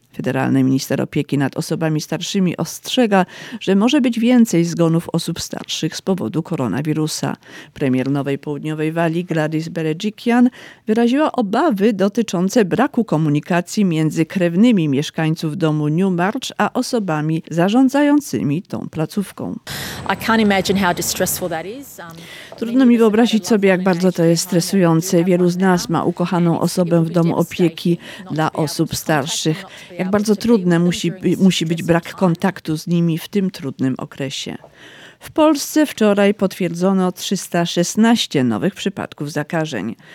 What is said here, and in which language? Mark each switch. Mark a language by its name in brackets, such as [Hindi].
[Polish] Federalny minister opieki nad osobami starszymi ostrzega, że może być więcej zgonów osób starszych z powodu koronawirusa. Premier Nowej Południowej Walii Gladys Berejiklian wyraziła obawy dotyczące braku komunikacji między krewnymi mieszkańców domu Newmarch a osobami zarządzającymi tą placówką. [English] I can't imagine how distressful that is. [Polish] Trudno mi wyobrazić sobie, jak bardzo to jest stresujące. Wielu z nas ma ukochaną osobę w domu opieki dla osób starszych. Jak bardzo trudne musi być brak kontaktu z nimi w tym trudnym okresie. W Polsce wczoraj potwierdzono 316 nowych przypadków zakażeń.